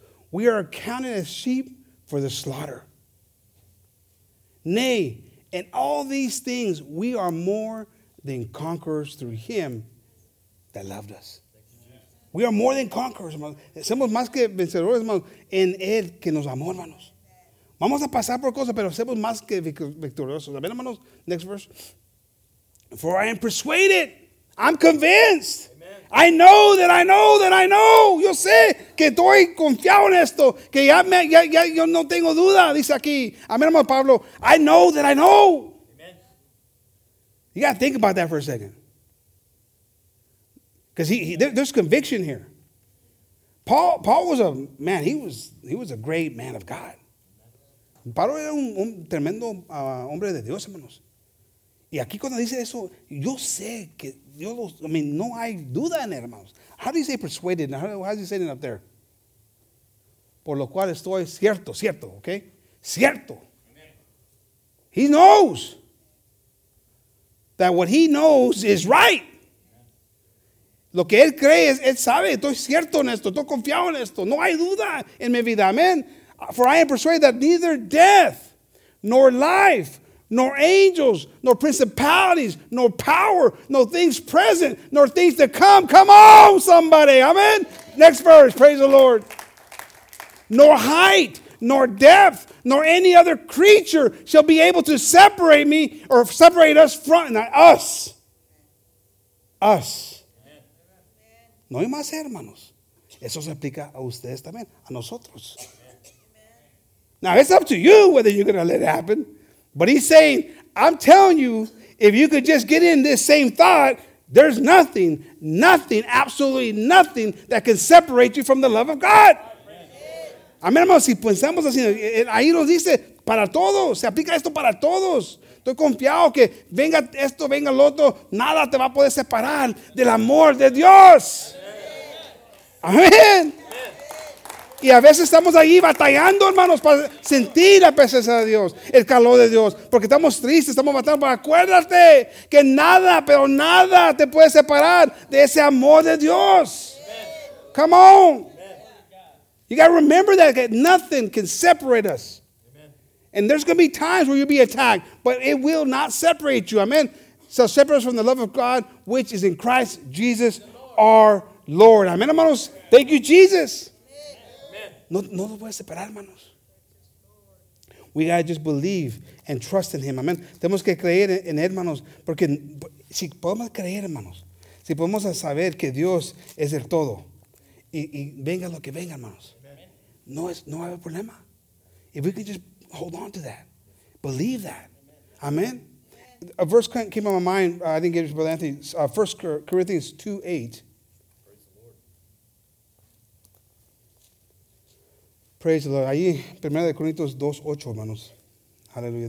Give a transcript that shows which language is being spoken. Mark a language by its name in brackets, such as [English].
[English] We are counted as sheep for the slaughter. Nay, in all these things we are more than conquerors through him that loved us. We are more than conquerors, hermanos. [Spanish] Somos más que vencedores, hermanos, en Él que nos amó, hermanos. Vamos a pasar por cosas, pero somos más que victoriosos. [English] Amen, hermanos. Next verse. For I am persuaded. I'm convinced. Amen. I know that I know that I know. [Spanish] Yo sé que estoy confiado en esto. Que ya yo no tengo duda, dice aquí. [English] Amen, hermano Pablo. I know that I know. Amen. You got to think about that for a second. Because there's conviction here. Paul was a man. He was a great man of God. [Spanish] Pablo era un tremendo hombre de Dios, hermanos. Y aquí cuando dice eso, yo sé que Dios los, [English] I mean, [Spanish] no hay duda en él, hermanos. [English] How do you say persuaded? How does he say it up there? [Spanish] Por lo cual estoy cierto, [English] okay? [Spanish] Cierto. [English] Amen. He knows that what he knows is right. [Spanish] Lo que él cree es, él sabe, estoy cierto en esto, estoy confiado en esto. No hay duda en mi vida, [English] amen. For I am persuaded that neither death, nor life, nor angels, nor principalities, nor power, nor things present, nor things to come. Come on, somebody, amen. Next verse, praise the Lord. Nor height, nor depth, nor any other creature shall be able to separate us us. [Spanish] No hay más, hermanos. Eso se aplica a ustedes también, a nosotros. [English] Now, it's up to you whether you're going to let it happen. But he's saying, I'm telling you, if you could just get in this same thought, there's nothing, nothing, absolutely nothing that can separate you from the love of God. [Spanish] Amén, hermanos, si pensamos así, ahí nos dice, para todos, se aplica esto para todos. Estoy confiado que venga esto, venga lo otro, nada te va a poder separar del amor de Dios. Amén. Y a veces estamos ahí batallando, hermanos, para sentir la presencia de Dios, el calor de Dios, porque estamos tristes, estamos batallando. Pero acuérdate que nada, pero nada te puede separar de ese amor de Dios. [English] Come on. You got to remember that nothing can separate us. And there's going to be times where you'll be attacked, but it will not separate you. Amen. So separate us from the love of God, which is in Christ Jesus, our Lord. Amen, hermanos. Thank you, Jesus. [Spanish] No lo puede separar, hermanos. [English] We got to just believe and trust in him. [Spanish] Amen. Tenemos que creer en él, hermanos. Porque si podemos creer, hermanos, si podemos saber que Dios es el todo, y venga lo que venga, hermanos, no hay problema. [English] If we can just hold on to that. Believe that. Amen. A verse came on my mind. I didn't get it to Brother Anthony. 1 Corinthians 2:8. Praise the Lord. [Spanish] Ahí, 1 Corintios 2:8, hermanos. Aleluya.